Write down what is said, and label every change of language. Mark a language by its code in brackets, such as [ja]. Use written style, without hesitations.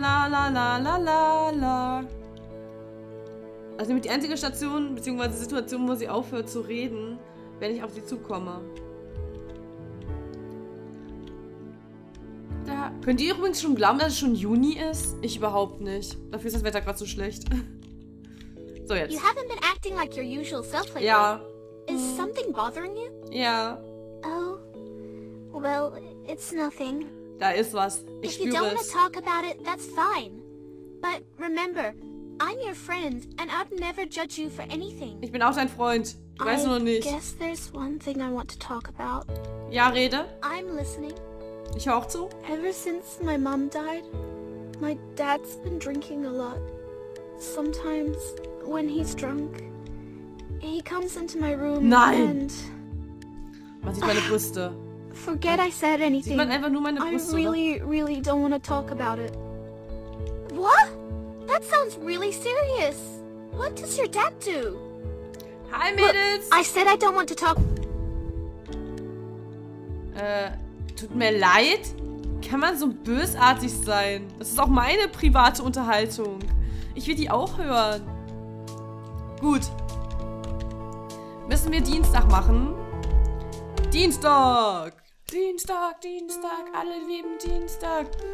[de] La la la la la la. Also nämlich die einzige Station bzw. Situation, wo sie aufhört zu reden, wenn ich auf sie zukomme. Da. Könnt ihr übrigens schon glauben, dass es schon Juni ist? Ich überhaupt nicht. Dafür ist das Wetter gerade so schlecht. So jetzt. [en] You haven't been acting like your usual self lately. [de] Ja. [en] Is something bothering you? [de] Ja. [en] Oh. Well, it's nothing. [de] Da ist was. Ich spüre es. [en] If you don't want to talk about it, that's fine. But remember, I'm your friend and I'd never judge you for anything. [de] Ich bin auch dein Freund. Du weißt nur nicht. [en] I guess there's one thing I want to talk about. [de] Ja, rede. [en] I'm listening. [de] Ich höre auch zu. [en] Ever since my mom died, my dad's been drinking a lot. Sometimes when he's drunk, he comes into my room. [de] Nein. [en] And [de] man sieht meine Brüste. [en] Forget I said anything. [de] Sieht man einfach nur meine Brüste, [en] I really, [de] oder? [en] Really don't want to talk about it. What? That sounds really serious. What does your dad do? [de] Hi, Mädels. [en] Look, I said I don't want to talk. [de] Tut mir leid. Kann man so bösartig sein? Das ist auch meine private Unterhaltung. Ich will die auch hören. Gut. Müssen wir Dienstag machen? Dienstag! Dienstag, Dienstag, alle lieben Dienstag.